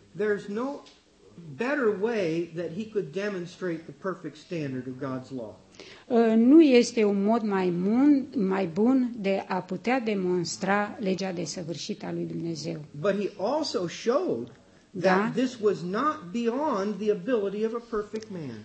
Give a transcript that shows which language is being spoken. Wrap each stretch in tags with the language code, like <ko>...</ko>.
<en>There's no better way that he could demonstrate the perfect standard of God's law.</en> <ro>Nu este un mod mai bun de a putea demonstra legea desăvârșită a lui Dumnezeu.</ro> <en>But he also showed that this was not beyond the ability of a perfect man.</en>